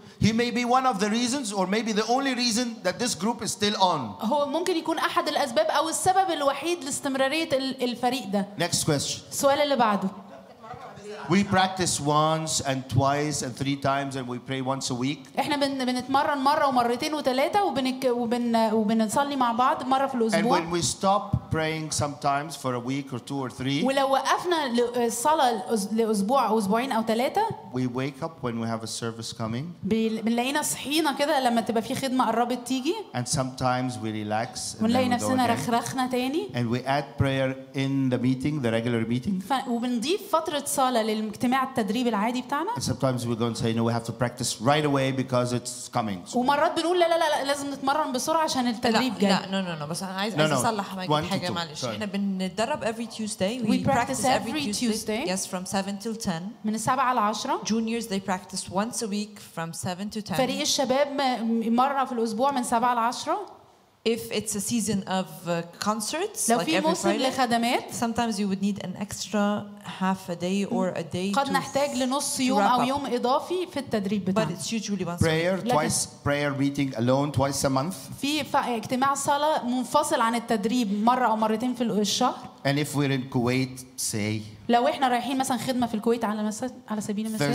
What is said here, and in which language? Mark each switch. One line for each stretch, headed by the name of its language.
English: He may be one of the reasons, or maybe the only reason that this group is still on.
Arabic: هو ممكن يكون أحد الأسباب أو السبب الوحيد لاستمرارية الفريق ده.
English: Next question.
Arabic: السؤال اللي بعده.
English: We practice once and twice and three times and we pray once a week.
Arabic: احنا بنتمرن مره ومرتين وثلاثه وبنصلي مع بعض مره في الاسبوع.
English: And when we stop praying sometimes for a week or two or three.
Arabic: ولو وقفنا الصلاه لاسبوع او اسبوعين او ثلاثه.
English: We wake up when we have a service coming.
Arabic: بنلاقينا صحينا كده لما تبقى في خدمه قربت تيجي.
English: And sometimes we relax.
Arabic: بنلاقي نفسنا رخرخنا تاني.
English: And we add prayer in the meeting, the regular meeting.
Arabic: وبنضيف فتره صلاه للاجتماع التدريب العادي بتاعنا.
English: And sometimes we go and say, you know, we have to practice right away because it's coming.
Arabic: ومرات بنقول لا لا لا لازم نتمرن بسرعة عشان التدريب جاي. لا لا لا لا بس أنا عايز أصلح حاجة معلش. إحنا بنتدرب
English: every Tuesday. We practice every Tuesday. Yes, from 7 till 10.
Arabic: من السابعة على عشرة.
English: Juniors they practice once a week from 7 to 10.
Arabic: فريق الشباب مرة في الأسبوع من سبعة على عشرة.
English: If it's a season of concerts,
Arabic: لو
English: like every
Arabic: موسم
English: Friday,
Arabic: لخدمات,
English: sometimes you would need an extra half a day or a day.
Arabic: قد نحتاج لنص يوم أو يوم إضافي في التدريب.
English: But it's usually once. Prayer twice, prayer meeting alone twice a month.
Arabic: في اجتماع صلاة منفصل عن التدريب مرة أو مرتين في الشهر.
English: And if we're in Kuwait, say.
Arabic: لو إحنا رايحين مثلاً خدمة في الكويت على على سبيل المثال.